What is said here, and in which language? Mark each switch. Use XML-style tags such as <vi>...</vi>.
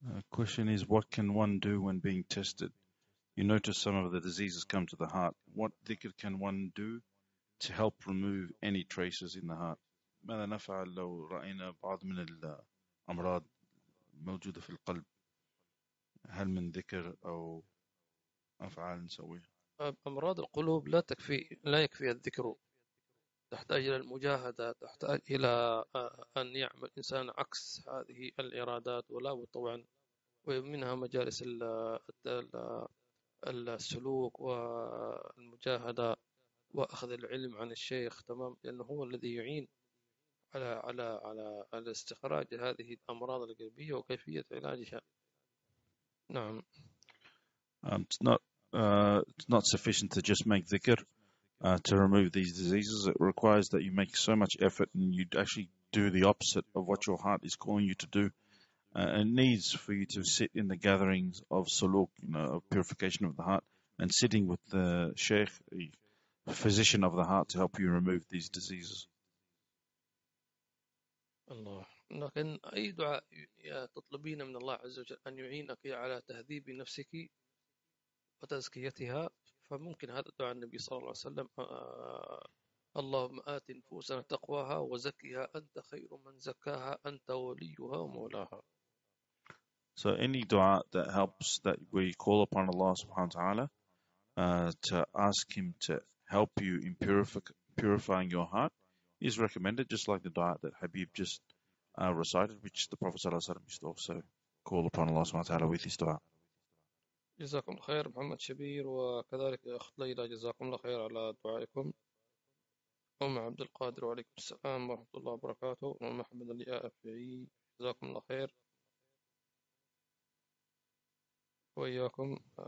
<en>Question is, what can one do when being tested? You notice some of the diseases come to the heart. What dhikr can one do to help remove any traces in the heart?</en> <ar>ماذا نفعل لو رأينا بعض من الأمراض موجودة في القلب؟ هل من ذكر أو أفعال نسويها؟ أمراض القلوب لا تكفي، لا يكفي الذكر، تحتاج إلى المجاهدة، تحتاج إلى أن يعمل الإنسان عكس هذه الإرادات، ولا بد طبعا ومنها مجالس السلوك والمجاهدة وأخذ العلم عن الشيخ، تمام، لأنه هو الذي يعين على على على الاستخراج هذه الأمراض القلبية وكيفية علاجها. نعم.</ar> <en>It's not sufficient to just make dhikr to remove these diseases. It requires that you make so much effort and you actually do the opposite of what your heart is calling you to do. It needs for you to sit in the gatherings of suluk, you know, of purification of the heart, and sitting with the sheikh, the physician of the heart, to help you remove these diseases.</en> <ar>الله. لكن أي دعاء تطلبين من الله عز وجل أن يعينك على تهذيب نفسك وتزكيتها، فممكن هذا دعاء النبي صلى الله عليه وسلم، اللهم آت نفوسنا تقواها وزكيها أنت خير من زكاها أنت وليها ومولاها.</ar> <en>So any dua that helps, that we call upon Allah subhanahu wa ta'ala to ask him to help you in purifying your heart is recommended, just like the dua that Habib just recited, which the Prophet sallallahu alaihi wasallam used to also call upon Allah subhanahu wa ta'ala with his dua.</en> <ar>جزاكم الله خير محمد شبير وكذلك أخت ليلى جزاكم الله خير على دعائكم. أم عبد القادر وعليكم السلام ورحمة الله وبركاته. أم محمد اللي أفعي جزاكم الله خير وإياكم.</ar>